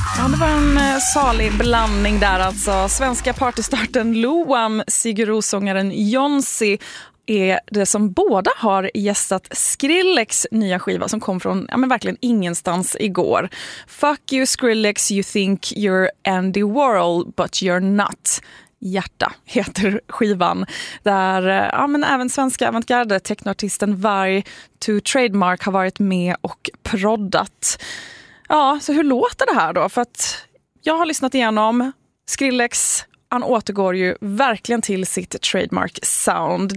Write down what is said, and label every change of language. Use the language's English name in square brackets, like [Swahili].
[Swedish] Det var en salig blandning där alltså. Svenska partystarten Loam, Sigurosångaren Jonsi är det som båda har gästat Skrillex nya skiva som kom från verkligen ingenstans igår. [English] Fuck you Skrillex, you think you're Andy Warhol but you're not. [Swedish] Hjärta heter skivan där även svenska avantgarde teknoartisten Varg to Trademark har varit med och proddat. Ja, så hur låter det här då? För att jag har lyssnat igenom Skrillex. Han återgår ju verkligen till sitt [English] trademark sound.